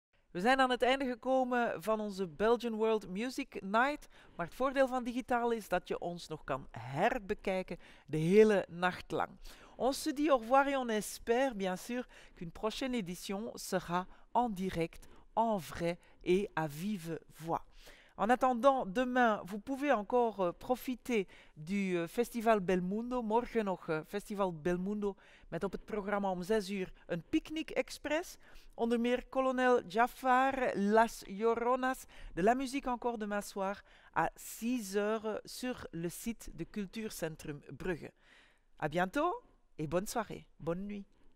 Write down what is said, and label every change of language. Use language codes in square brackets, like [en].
[nl] We zijn aan het einde gekomen van onze Belgian World Music Night. Maar het voordeel van digitaal is dat je ons nog kan herbekijken de hele nacht lang. [fr] On se dit au revoir et on espère bien sûr qu'une prochaine édition sera en direct, en vrai et à vive voix. En attendant, demain, vous pouvez encore profiter du Festival Belmundo. [nl] Morgen nog Festival Belmundo met op het programma om 6 uur een picknick express. Onder meer [fr] Colonel Jafar, Las Lloronas, de la musique encore demain soir à 6 heures sur le site de Cultuurcentrum Brugge. À bientôt et bonne soirée. Bonne nuit.